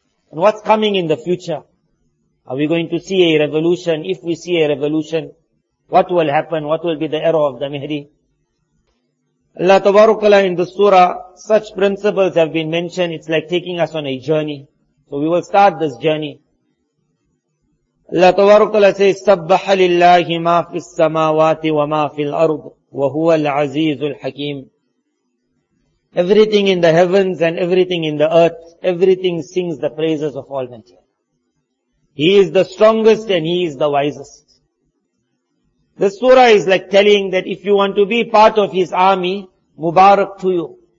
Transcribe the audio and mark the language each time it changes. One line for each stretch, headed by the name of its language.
English: And what's coming in the future? Are we going to see a revolution? If we see a revolution, what will happen? What will be the era of the Mahdi? Allah Tabarakala in the surah, such principles have been mentioned. It's like taking us on a journey. So we will start this journey. Allah Tabarakala says,
Arabic: سَبَّحَ لِلَّهِ مَا فِي السَّمَاوَاتِ وَمَا فِي الْأَرْضِ وَهُوَ الْعَزِيزُ الْحَكِيمُ.
English: Everything in the heavens and everything in the earth, everything sings the praises of Almighty. He is the strongest and He is the wisest. This surah is like telling that if you want to be part of His army, Mubarak to you.